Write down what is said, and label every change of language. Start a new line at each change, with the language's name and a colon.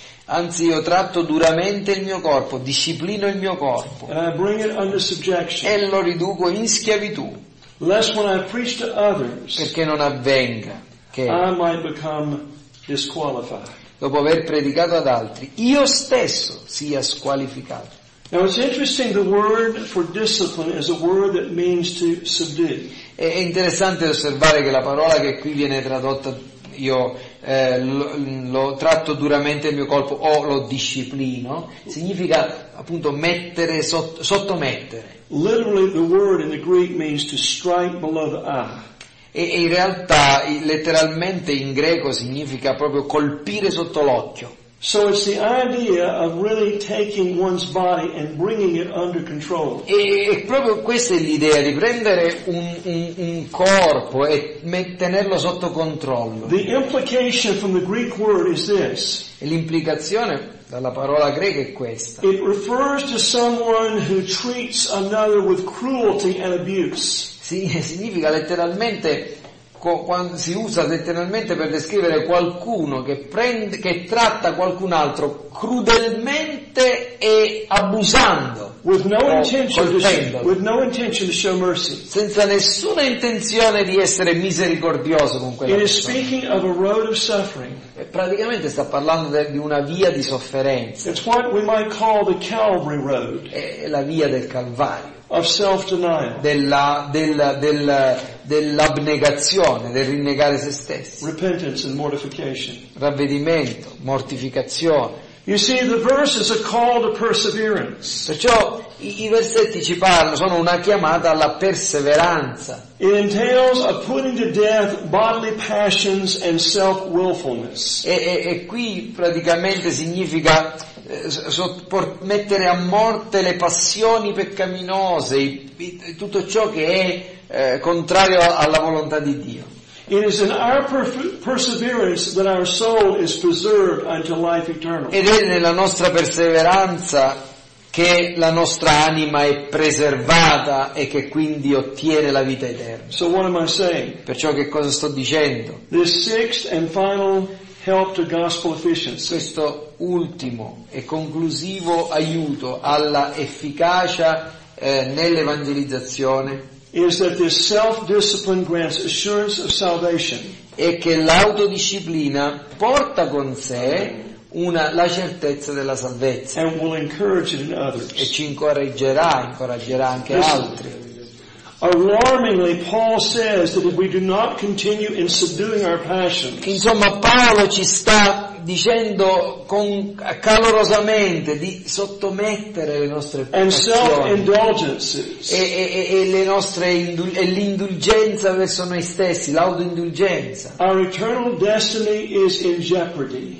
Italian: Anzi, io tratto duramente il mio corpo, disciplino il mio corpo.
English: And I bring it under subjection.
Italian: E lo riduco in schiavitù.
English: Lest when I preach to others,
Italian: perché non avvenga che
English: I might become disqualified.
Italian: Dopo aver predicato ad altri, io stesso sia squalificato.
English: Now it's interesting, the word for discipline is a word that means to subdue.
Italian: È interessante osservare che la parola che qui viene tradotta, io lo tratto duramente il mio corpo o lo disciplino, significa appunto mettere sottomettere.
English: Literally, the word in the Greek means to strike below the eye.
Italian: E in realtà, letteralmente in greco significa proprio colpire sotto l'occhio.
English: So it's the idea of really taking one's body and bringing it under control.
Italian: E proprio questa è l'idea di prendere un corpo e tenerlo sotto controllo.
English: The implication from the Greek word is this.
Italian: E l'implicazione questa, la parola greca è questa.
English: It refers to someone who treats another with cruelty and abuse.
Italian: Sì, significa letteralmente, quando si usa letteralmente per descrivere qualcuno che prende, che tratta qualcun altro crudelmente e abusando,
English: with no intention to show mercy.
Italian: Senza nessuna intenzione di essere misericordioso con quella persona.
English: It is speaking of a road of suffering.
Italian: Praticamente sta parlando di una via di sofferenza.
English: It's what we might call the Calvary road.
Italian: È la via del Calvario.
English: Of self-denial.
Italian: Dell'abnegazione, del rinnegare se stessi.
English: Repentance and mortification.
Italian: Ravvedimento, mortificazione.
English: You see, the verse is a call to perseverance.
Italian: Perciò i versetti ci parlano, sono una chiamata alla perseveranza.
English: It entails a putting to death bodily passions and self-willfulness.
Italian: E qui praticamente significa mettere a morte le passioni peccaminose, tutto ciò che è contrario alla volontà di Dio.
English: It is in our perseverance that our soul is preserved unto life eternal.
Italian: Ed è nella nostra perseveranza che la nostra anima è preservata e che quindi ottiene la vita eterna.
English: So what am I saying?
Italian: Perciò che cosa sto dicendo?
English: This sixth and final help to gospel efficiency.
Italian: Questo ultimo e conclusivo aiuto alla efficacia nell'evangelizzazione.
English: Is that this self-discipline grants assurance of salvation.
Italian: È che l'autodisciplina porta con sé la certezza della salvezza.
English: And will encourage it in others.
Italian: E ci incoraggerà anche
English: this
Italian: altri.
English: Alarmingly, Paul says that if we do not continue in subduing our passions.
Italian: Insomma, Paolo ci sta dicendo con calorosamente di sottomettere le nostre passioni e l'indulgenza verso noi stessi, l'autoindulgenza.
English: Our eternal destiny is in jeopardy.